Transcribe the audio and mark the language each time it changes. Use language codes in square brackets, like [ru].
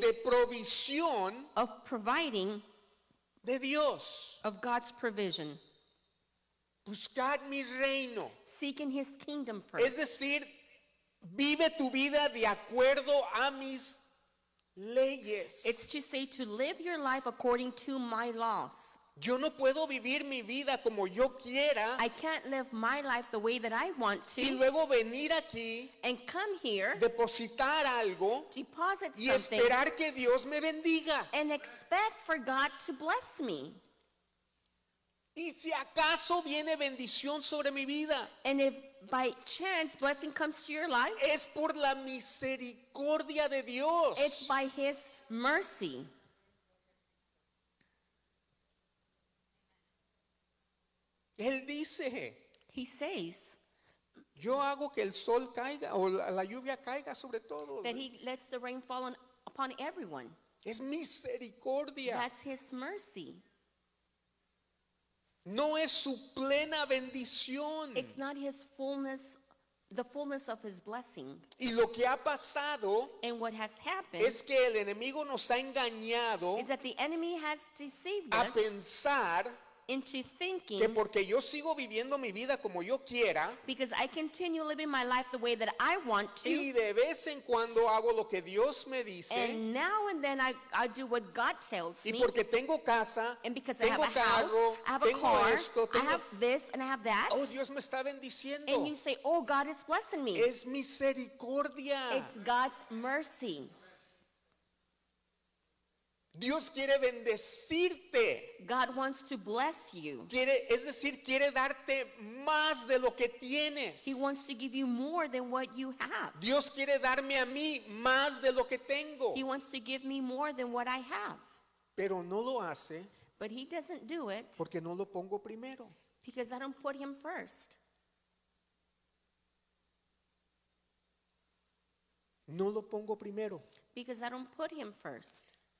[es] de provisión, [en] of providing, [es] de Dios, [en] of God's provision. [es] Buscad mi reino, [en] seeking his kingdom first. [es] Es decir, vive tu vida de acuerdo a mis leyes. [en] It's to say to live your life according to my laws. [es] Yo no puedo vivir mi vida como yo quiera. [en] I can't live my life the way that I want to. [es] Y luego venir aquí. [en] And come here. [es] Depositar algo. [en] Deposit [es] y [en] something. [es] Y esperar que Dios me bendiga. [en] And expect for God to bless me. [es] Y si acaso viene bendición sobre mi vida. [en] And if by chance blessing comes to your life. [es] Es por la misericordia de Dios. [en] It's by his mercy. [es] Él dice, [en] he says, [es] yo hago que el sol caiga o la lluvia caiga sobre todo. [en] That he lets the rain fall on, upon everyone. [es] Es misericordia. [en] That's his mercy. [es] No es su plena bendición. [en] It's not his fullness, the fullness of his blessing. [es] Y lo que ha pasado, [en] and what has happened, [es] es que el enemigo nos ha engañado, [en] is that the enemy has deceived us, [es] a pensar, [en] into thinking [es] que porque yo sigo viviendo mi vida como yo quiera, [en] because I continue living my life the way that I want to, [es] y de vez en cuando hago lo que Dios me dice, [en] and now and then I do what God tells me, [es] y porque tengo casa, [en] and because [es] tengo [en] I have a [es] carro, [en] house, I have a [es] tengo [en] car, [es] esto, tengo, [en] I have this and I have that, [es] oh, Dios me está bendiciendo, [en] and you say, oh, God is blessing me. [es] Es misericordia. [en] It's God's mercy. [es] Dios quiere bendecirte. [en] God wants to bless you. [es] Quiere, es decir, quiere darte más de lo que tienes. [en] He wants to give you more than what you have. [es] Dios quiere darme a mí más de lo que tengo. [en] He wants to give me more than what I have. [es] Pero no lo hace. [en] But he doesn't do it. [es] Porque no lo pongo primero. [en] Because I don't put him first. [es] No lo pongo primero. [en] Because I don't put him first.